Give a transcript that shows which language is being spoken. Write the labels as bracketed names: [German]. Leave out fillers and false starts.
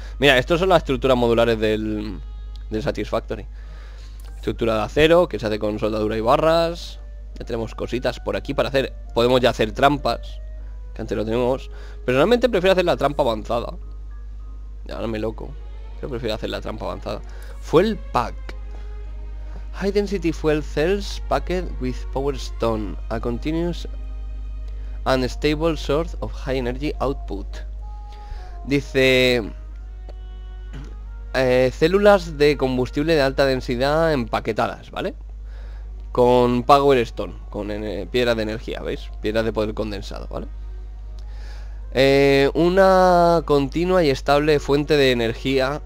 [Spanish] Mira, estas son las estructuras modulares del Satisfactory. Estructura de acero, que se hace con soldadura y barras. Ya tenemos cositas por aquí para hacer. Podemos ya hacer trampas, que antes lo tenemos. Personalmente prefiero hacer la trampa avanzada. Ya no me loco. Yo prefiero hacer la trampa avanzada. [English] Fuel pack. High density fuel cells packed with power stone. A continuous and stable source of high energy output. [Spanish] Dice... células de combustible de alta densidad empaquetadas, ¿vale? Con power stone, con piedra de energía, ¿veis? Piedra de poder condensado, ¿vale? Una continua y estable fuente de energía.